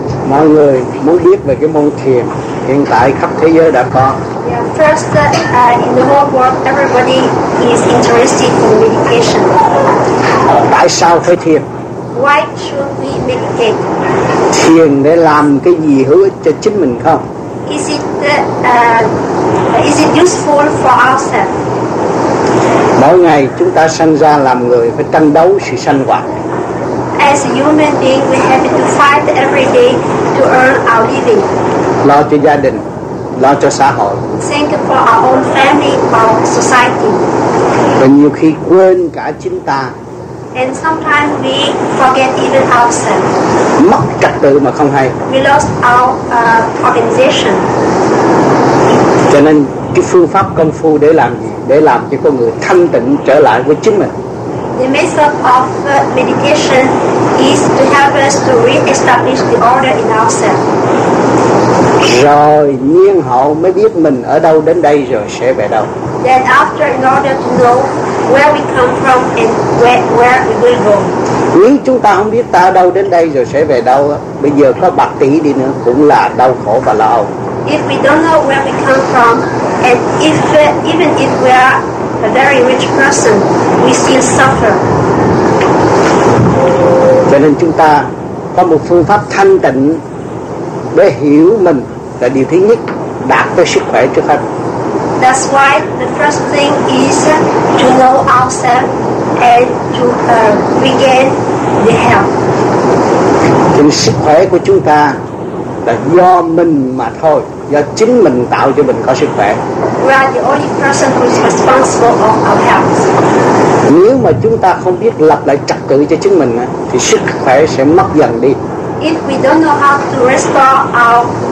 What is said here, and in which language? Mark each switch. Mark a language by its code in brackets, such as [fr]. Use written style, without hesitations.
[vi] Mọi người muốn biết về cái môn thiền hiện tại khắp thế giới đã có. [en] Yeah, first that in the whole world everybody is interested in meditation. [vi] Tại sao phải thiền? [en] Why should we meditate? [vi] Thiền để làm cái gì hữu ích cho chính mình không? [en] Is it useful for ourselves? [vi] Mỗi ngày chúng ta sanh ra làm người phải tranh đấu sự sanh hoạt. [en] As a human being, we have to fight every day to earn our living. [vi] Lo cho gia đình, lo cho xã hội. [en] Think for our own family, our society. [vi] Và nhiều khi quên cả chính ta. [en] And sometimes we forget even ourselves. [vi] Mất trật tự mà không hay. [en] We lost our organization. [vi] Cho nên cái phương pháp công phu để làm gì? Để làm cho con người thanh tịnh trở lại với chính mình. [en] The method of meditation is to help us to re-establish the order in ourselves. [vi] Rồi nhiên hậu mới biết mình ở đâu đến đây rồi sẽ về đâu. [en] Then after, in order to know where we come from and where we will go. [vi] Nếu chúng ta không biết ta ở đâu đến đây rồi sẽ về đâu, bây giờ có bạc tỷ đi nữa cũng là đau khổ và lo âu. [en] If we don't know where we come from, and if even if we are a very rich person, we still suffer. [vi] Cho nên chúng ta có một phương pháp thanh tịnh để hiểu mình là điều thứ nhất, đạt tới sức khỏe trước hết. [en] That's why the first thing is to know ourselves and to regain the health. [vi] Nên sức khỏe của chúng ta là do mình mà thôi, do chính mình tạo cho mình có sức khỏe. [en] We are the only person who is responsible for our health. [vi] Nếu mà chúng ta không biết lập lại trật tự cho chính mình thì sức khỏe sẽ mất dần đi. [en] If we don't know how to restore our